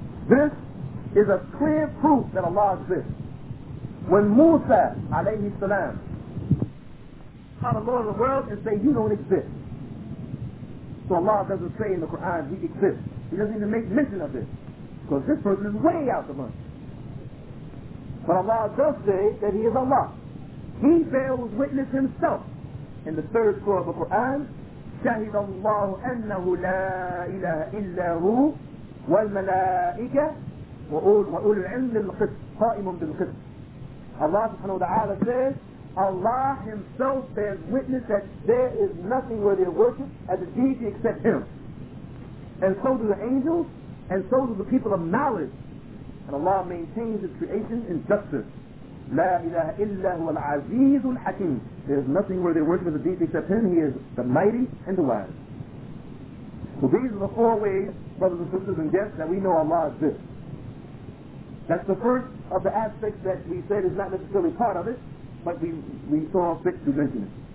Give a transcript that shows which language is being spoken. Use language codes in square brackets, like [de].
[en] This is a clear proof that Allah exists. When Musa, alayhi salam, called the Lord of the world and say, you don't exist. So Allah doesn't say in the Quran, he exists. He doesn't even make mention of this, because this person is way out of money. But Allah does say that he is Allah. He bears witness himself in the third surah of the Quran, [ar] شهد الله أنه لا إله إلا هو والملائكة وأول العلم القسط قائم بالقسط. [en] Allah subhanahu wa ta'ala says, Allah himself bears witness that there is nothing worthy of worship as a deity except him. And so do the angels, and so do the people of knowledge. And Allah maintains his creation in justice. [ar] لا إله إلا هو العزيز الحكيم. [en] There is nothing worthy of worship as a deity except him. He is the mighty and the wise. So these are the four ways, brothers and sisters and guests, that we know Allah exists. That's the first of the aspects that we said is not necessarily part of it, but we saw fit to mention it.